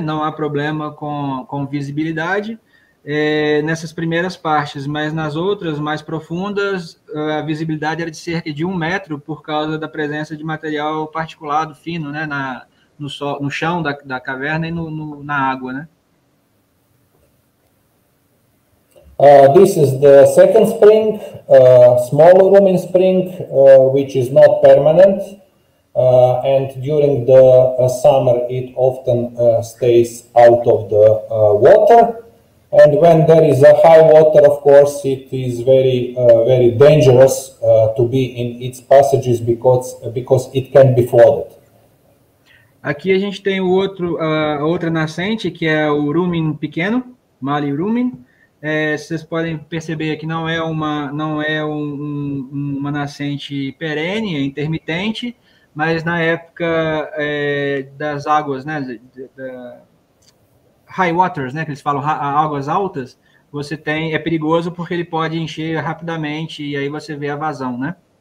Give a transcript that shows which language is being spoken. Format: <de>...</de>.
<pt>Não há problema com visibilidade nessas primeiras partes, mas nas outras, mais profundas, a visibilidade era de cerca de 1 metro por causa da presença de material particulado fino, né, no chão da caverna e na água, né?</pt> <en>This is the second spring, smaller rooming spring, which is not permanent, and during the summer it often stays out of the water. And when there is a high water, of course, it is very, very dangerous to be in its passages because it can be flooded.</en> <pt>Aqui a gente tem outra nascente, que é o rooming pequeno, Mali rooming. Vocês podem perceber que não é uma nascente perene, intermitente, mas na época das águas, né,</pt> <en>high waters,</en> <pt>né, que eles falam águas altas, é perigoso porque ele pode encher rapidamente e aí você vê a vazão, né?</pt>